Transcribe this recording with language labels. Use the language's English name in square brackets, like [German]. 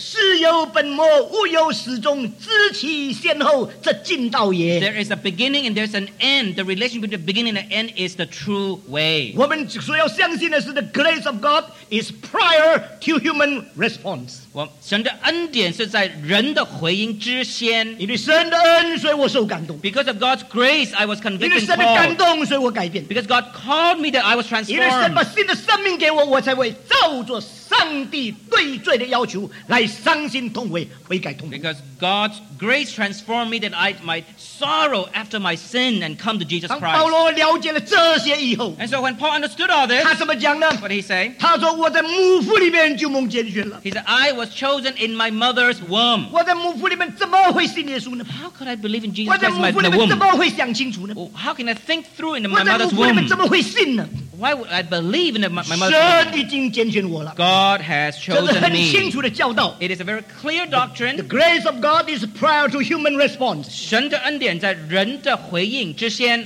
[Chinese] 事有本末, 物有始终, 知其先后, 这进道也, [English] there is a beginning and there's an end. The relation between the beginning and the end is the true way. The grace of God is prior to human response. [Chinese] 神的恩典是在人的回应之先, 因为神的恩, [English] because of God's grace I was convicted and called. [Chinese] 因为神的感动, [English] because God called me that I was transformed. [Chinese] 因为神把新的生命给我, 我才会照着上帝对罪的要求来伤心痛悔悔改痛苦, [English] because God's grace transformed me that I might sorrow after my sin and come to Jesus Christ. [Chinese] 当保罗了解了这些以后, [English] and so when Paul understood all this, [Chinese] 他怎么讲呢? [English] What did he say? [Chinese] 他说我在母腹里面就蒙拣选了, [English] he said, I was chosen in my mother's womb. How could I believe in Jesus Christ in the womb? How can I think through in my mother's womb? Why would I believe in my mother's womb? God has chosen me. It is a very clear doctrine. The grace of God is prior to human response. [Chinese] 神的恩典在人的回应之先,